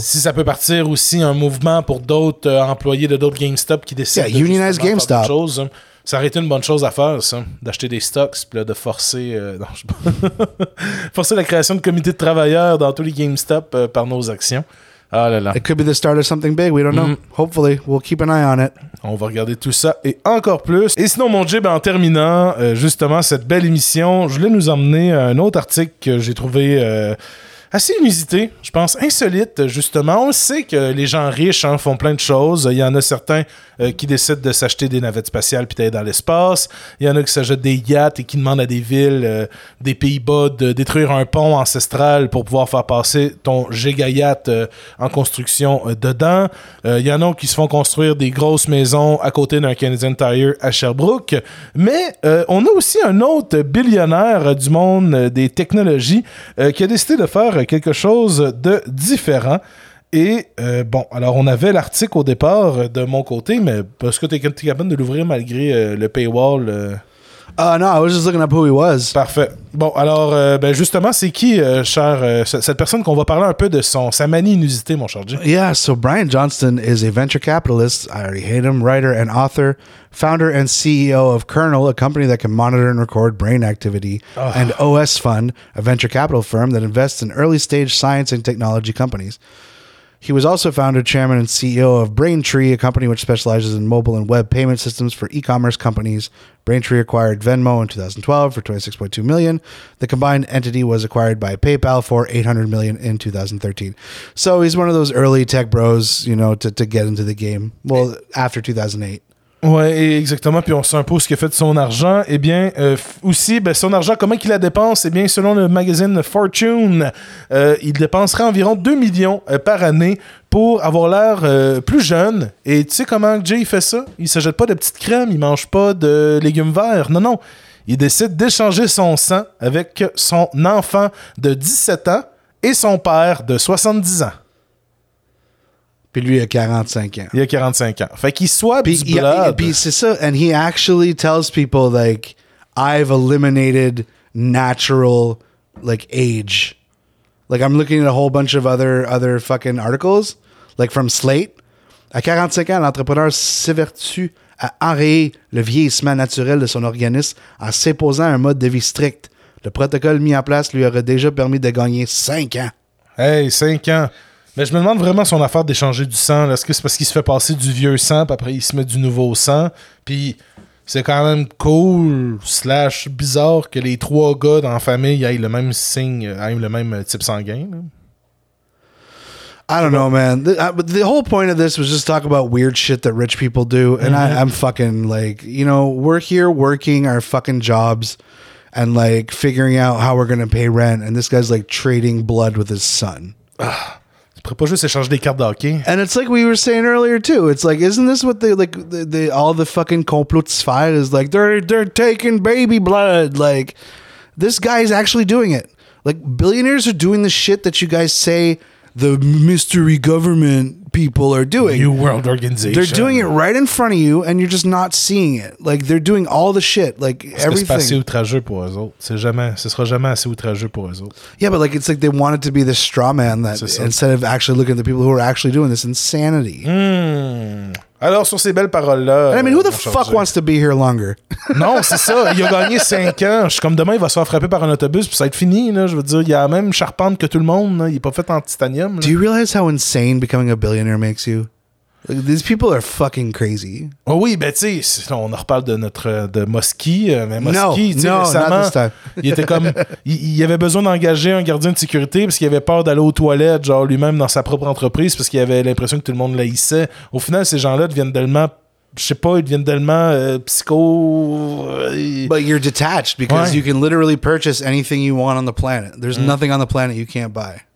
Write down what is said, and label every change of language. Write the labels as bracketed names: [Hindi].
[French] Si ça peut partir aussi un mouvement pour d'autres employés de d'autres GameStop qui décident de unionize GameStop. Faire autre chose, ça aurait été une bonne chose à faire, ça. D'acheter des stocks puis là, de forcer, forcer la création de comités de travailleurs dans tous les GameStop par nos actions. Ah là là. [English] It could be the start of something big. We don't know. Hopefully, we'll keep an eye on it. [French] On va regarder tout ça et encore plus. Et sinon, mon Jib, en terminant justement cette belle émission, je voulais nous emmener à un autre article que j'ai trouvé assez inusité, je pense, insolite, justement. On sait que les gens riches font plein de choses. Il y en a certains qui décident de s'acheter des navettes spatiales puis d'aller dans l'espace. Il y en a qui s'achètent des yachts et qui demandent à des villes des Pays-Bas de détruire un pont ancestral pour pouvoir faire passer ton giga-yacht en construction dedans. Il y en a qui se font construire des grosses maisons à côté d'un Canadian Tire à Sherbrooke. Mais on a aussi un autre billionnaire du monde des technologies qui a décidé de faire quelque chose de différent. Et alors on avait l'article au départ de mon côté, mais est-ce que tu es capable de l'ouvrir malgré le paywall? Non, [English] I was just looking up who he was. [French] Parfait. Bon, alors justement, c'est qui, cher, cette personne qu'on va parler un peu de sa manie inusitée, mon cher Jim? [English] Yeah, so Brian Johnston is a venture capitalist, I already hate him, writer and author, founder and CEO of Kernel, a company that can monitor and record brain activity, and OS Fund, a venture capital firm that invests in early stage science and technology companies. He was also founder, chairman, and CEO of Braintree, a company which specializes in mobile and web payment systems for e-commerce companies. Braintree acquired Venmo in 2012 for $26.2 million. The combined entity was acquired by PayPal for $800 million in 2013. So he's one of those early tech bros, you know, to get into the game. Well, after 2008. [French] Oui, exactement. Puis on sait un peu ce qu'il a fait de son argent. Eh bien, son argent, comment il la dépense? Eh bien, selon le magazine Fortune, il dépenserait environ 2 millions par année pour avoir l'air plus jeune. Et tu sais comment Jay fait ça? Il ne s'achète pas de petites crèmes, il ne mange pas de légumes verts. Non, non. Il décide d'échanger son sang avec son enfant de 17 ans et son père de 70 ans. Puis lui, il a 45 ans. Il a 45 ans. Fait qu'il swap du blood. Puis c'est ça. [English] And he actually tells people, like, I've eliminated natural, like, age. Like, I'm looking at a whole bunch of other fucking articles, like, from Slate. [French] À 45 ans, l'entrepreneur s'évertue à enrayer le vieillissement naturel de son organisme en s'imposant un mode de vie strict. Le protocole mis en place lui aurait déjà permis de gagner 5 ans. Hey, 5 ans. Mais je me demande vraiment son affaire d'échanger du sang. Est-ce que c'est parce qu'il se fait passer du vieux sang, puis après il se met du nouveau sang? Puis c'est quand même cool, slash bizarre, que les trois gars dans la famille aient le même signe, aient le même type sanguin. [English] I don't know, man. The whole point of this was just talk about weird shit that rich people do. And I'm fucking like, you know, we're here working our fucking jobs and like figuring out how we're going to pay rent. And this guy's like trading blood with his son. [French] Tu pourrais pas juste échanger des cartes de hockey? [English] And it's like we were saying earlier too. It's like, isn't this what they like, all the fucking complotsphere is like, they're taking baby blood. Like, this guy is actually doing it. Like, billionaires are doing the shit that you guys say the mystery government people are doing. New World Organization. They're doing it right in front of you, and you're just not seeing it. Like, they're doing all the shit, like, [French] parce [English] everything. [French] C'est pas assez outrageux pour eux autres. C'est jamais, ce sera jamais assez outrageux pour eux autres. [English] Yeah, but like, it's like they wanted to be the straw man that, instead of actually looking at the people who are actually doing this insanity. [French] Alors, sur ces belles paroles-là... [English] And I mean, who the fuck wants to be here longer? [French] Non, c'est ça. Il a gagné 5 ans. Je suis comme, demain, il va se faire frapper par un autobus puis ça va être fini, là. Je veux dire, il a la même charpente que tout le monde. Là. Il n'est pas fait en titanium. Là. [English] Do you realize how insane becoming a billionaire makes you? Like, these people are fucking crazy. [French] Oh oui, ben tu sais, on en reparle de Mosky. Mais Mosky, no, tu sais, no, récemment, il était comme... Il avait besoin d'engager un gardien de sécurité parce qu'il avait peur d'aller aux toilettes, genre lui-même dans sa propre entreprise, parce qu'il avait l'impression que tout le monde l'haïssait. Au final, ces gens-là deviennent tellement... Je sais pas, ils deviennent tellement psycho... [English] But you're detached because you can literally purchase anything you want on the planet. There's nothing on the planet you can't buy.